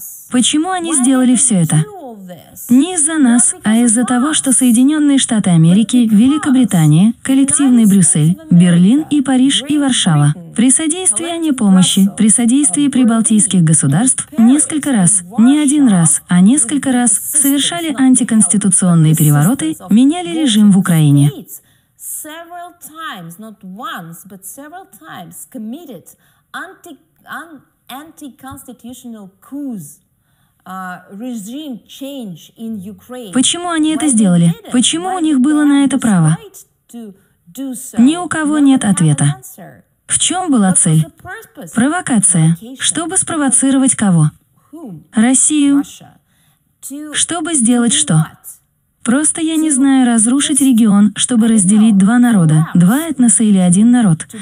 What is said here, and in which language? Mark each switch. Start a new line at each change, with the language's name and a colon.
Russian: Почему они сделали все это? Не из-за нас, а из-за того, что Соединенные Штаты Америки, Великобритания, коллективный Брюссель, Берлин и Париж и Варшава. При содействии, а не помощи, при содействии прибалтийских государств, несколько раз, не один раз, а несколько раз, совершали антиконституционные перевороты, меняли режим в Украине.
English: Several times, not once, but several times, committed anti-constitutional coups, regime change in Ukraine.
Russian: Почему они это сделали? Почему у них было на это право? Ни у кого нет ответа. В чем была цель? Провокация. Чтобы спровоцировать кого? Россию. Чтобы сделать что? Просто я не знаю, разрушить регион, чтобы разделить два народа, два этноса или один народ.